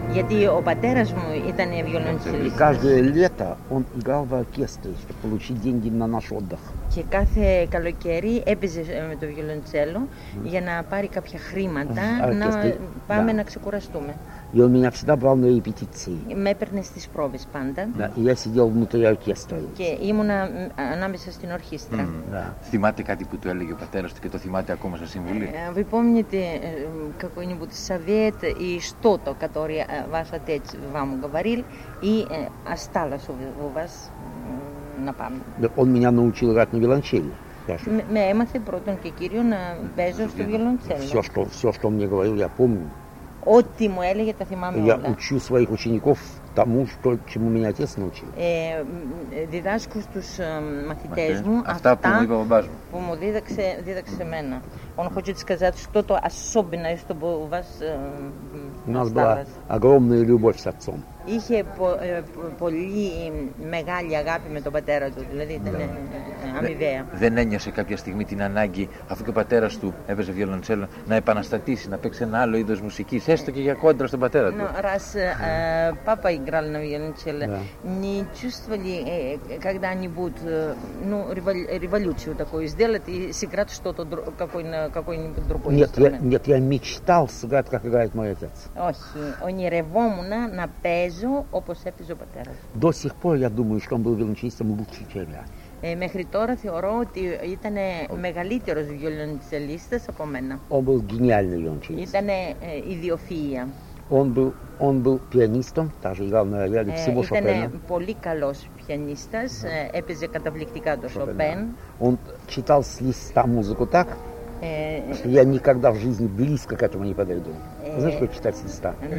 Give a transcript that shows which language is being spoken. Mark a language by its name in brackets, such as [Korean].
[Greek] Γιατί ο πατέρας μου ήταν виолончелист. [Russian] И каждое лето он играл в оркестре, чтобы получить деньги на наш отдых. [Greek] Και κάθε καλοκαίρι έπαιζε με το βιολοντσέλο για να πάρει κάποια χρήματα, να πάμε να ξεκουραστούμε. [Russian] И он меня всегда брал на репетиции. [Greek] Με έπαιρνε στις πρόβες πάντα. [Russian] Да, и я сидел внутри оркестра. [Greek] Και ήμουν ανάμεσα στην ορχήστρα. Mm, [Russian] да. [Greek] Θυμάται κάτι που του έλεγε ο πατέρας του και το θυμάται ακόμα σε συμβουλή? [Russian] Вы помните какой-нибудь совет и что-то, которое ваш отец вам говорил, и осталось у вас на память? Он меня научил играть на виолончели. [Greek] Με έμαθε πρώτον και κύριο να παίζω στο виолончели. [Russian] Все, что он мне говорил, я помню. [Greek] Ό,τι μου έλεγε, τα θυμάμαι όλα. [Russian] Я учу своих учеников тому, что чему меня отец научил. [Greek] Διδάσκω στους μαθητές μου αυτά που μου είπε ο μπαμπάς μου. Που μου δίδαξε εμένα. [Russian] Он хочет сказать что-то особенное, чтобы у вас У нас была огромная любовь с отцом. [Greek] Είχε πολύ μεγάλη αγάπη με τον πατέρα του, δηλαδή ήταν αμοιβαία. Δεν ένιωσε κάποια στιγμή την ανάγκη, αφού και ο πατέρας του έπαιζε βιολοντσέλο, να επαναστατήσει, να παίξει ένα άλλο είδος μουσικής, έστω και για κόντρα στον πατέρα του? [Russian] Раз папа играл на виолончели, не чувствовали когда-нибудь революцию такую сделать и сыграть что-то какой-нибудь другой инструмент? Нет, я мечтал сыграть, как играет мой отец. [Greek] Όχι, ονειρευόμουν να παίξω όπως έπαιζε ο πατέρας. [Russian] До сих пор я думаю, что он был виолончелистом лучше, чем я. [Greek] Μέχρι τώρα θεωρώ ότι ήταν μεγαλύτερος βιολοντσελίστας από μένα. [Russian] Он был гениальный виолончелист. [Greek] Ήταν ιδιοφυΐα. [Russian] Он был пианистом, также играл на рояле всего Шопена. [Greek] Ήταν πολύ καλός пианистας, έπαιζε καταπληκτικά το Шопен. [Russian] Он читал с листа музыку так, что я никогда в жизни близко к этому не подойду. Знаешь, как читать с листа?